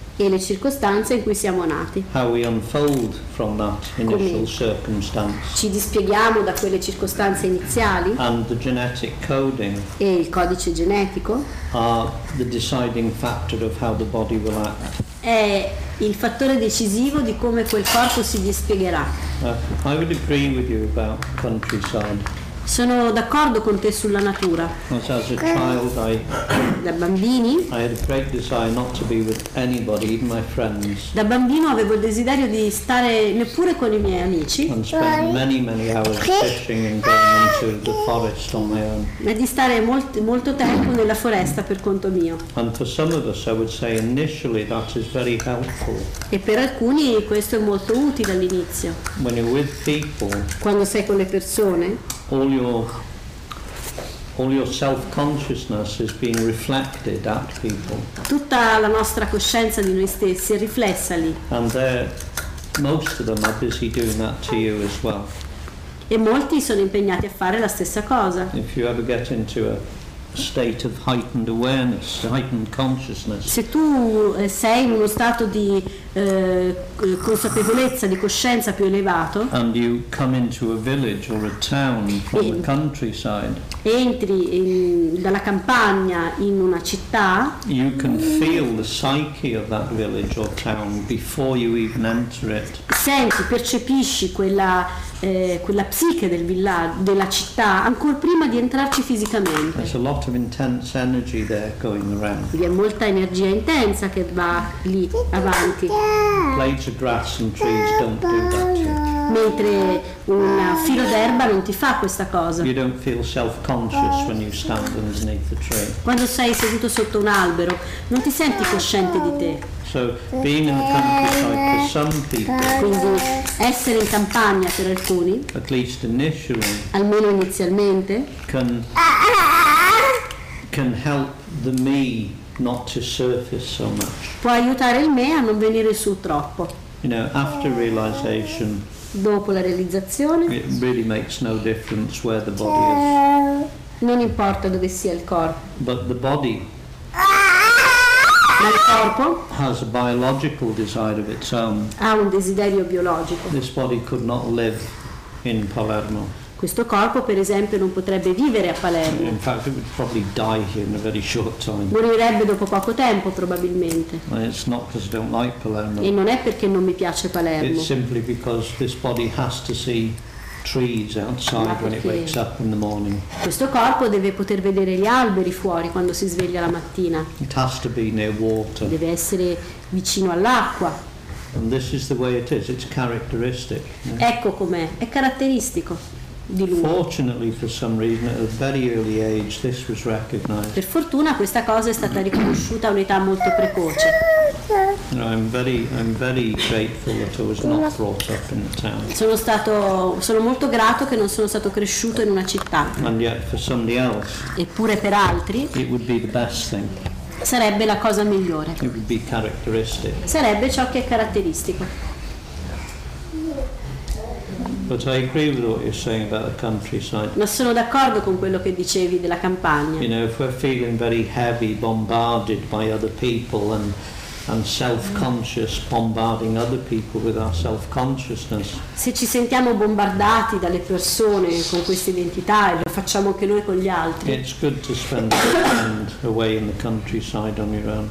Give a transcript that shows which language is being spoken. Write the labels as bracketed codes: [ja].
[it] e le circostanze in cui siamo nati, [en] how we unfold from that initial circumstance, [it] ci dispieghiamo da quelle circostanze iniziali, [en] and the genetic coding, [it] e il codice genetico, [en] are the deciding factor of how the body will act, [it] è il fattore decisivo di come quel corpo si dispiegherà. [en] I would agree with you about countryside. [it] Sono d'accordo con te sulla natura. [en] As a child, [it] da bambini. [en] I had a great desire not to be with anybody, even my friends. [it] Da bambino avevo il desiderio di stare neppure con i miei amici. [en] And spend many, many hours fishing and going into the forest on my own. [it] E di stare molto tempo nella foresta per conto mio. [en] And for some of us, I would say initially that is very helpful. [it] E per alcuni questo è molto utile all'inizio. [en] When you're with people. [it] Quando sei con le persone. [en] All your self-consciousness is being reflected at people. [it] Tutta la nostra coscienza di noi stessi è riflessa lì. [en] And most of them are busy doing that to you as well. [it] E molti sono impegnati a fare la stessa cosa. [en] If you ever get into a state of heightened awareness, heightened consciousness. [it] Se tu sei in uno stato di consapevolezza, di coscienza più elevato. [en] And you come into a village or a town from the countryside. [it] Entri dalla campagna in una città. [en] You can feel the psyche of that village or town before you even enter it. [it] Senti, percepisci quella psiche del villaggio, della città, ancora prima di entrarci fisicamente. [en] There's a lot of intense energy there going around. [it] Vi è molta energia intensa che va lì avanti. [en] Blades of grass and trees don't do that. [it] Mentre un filo d'erba non ti fa questa cosa. [en] You don't feel self-conscious when you stand underneath the tree. [it] Quando sei seduto sotto un albero, non ti senti cosciente di te. [en] So being in the countryside for some people. [it] Quindi essere in campagna per alcuni. [en] At least initially. [it] Almeno inizialmente. [en] Can help the me not to surface so much. [it] Può aiutare il me a non venire su troppo. [en] You know, after realization. [it] Dopo la realizzazione. [en] It really makes no difference where the body is. [it] Non importa dove sia il corpo. [en] But the body. [it] Ma il corpo. [en] Has a biological desire of its own. [it] Ha un desiderio biologico. [en] This body could not live in Palermo. [it] Questo corpo, per esempio, non potrebbe vivere a Palermo. [en] In fact, it would probably die here in a very short time. [it] Morirebbe dopo poco tempo, probabilmente. [en] And it's not because I don't like Palermo. [it] E non è perché non mi piace Palermo. [en] It's simply because this body has to see trees outside when it wakes up in the morning. [it] Questo corpo deve poter vedere gli alberi fuori quando si sveglia la mattina. [en] It has to be near water. [it] Deve essere vicino all'acqua. [en] And this is the way it is. It's characteristic. [it] Yeah. Ecco com'è. È caratteristico. [en] Fortunately, for some reason, at a very early age, this was recognized. [it] Per fortuna questa cosa è stata riconosciuta a un'età molto precoce. [en] I'm very grateful that I was not brought up in the town. [it] Sono molto grato che non sono stato cresciuto in una città. [en] And yet, for somebody else. [it] Eppure per altri. [en] It would be the best thing. [it] Sarebbe la cosa migliore. [en] It would be characteristic. [it] Sarebbe ciò che è caratteristico. [en] But I agree with what you're saying about the countryside. [it] Ma sono d'accordo con quello che dicevi della campagna. [en] You know, if we're feeling very heavy, bombarded by other people and self-conscious, bombarding other people with our self-consciousness. [it] Se ci sentiamo bombardati dalle persone con questa identità e lo facciamo anche noi con gli altri. [en] It's good to spend a weekend away in the countryside on your own.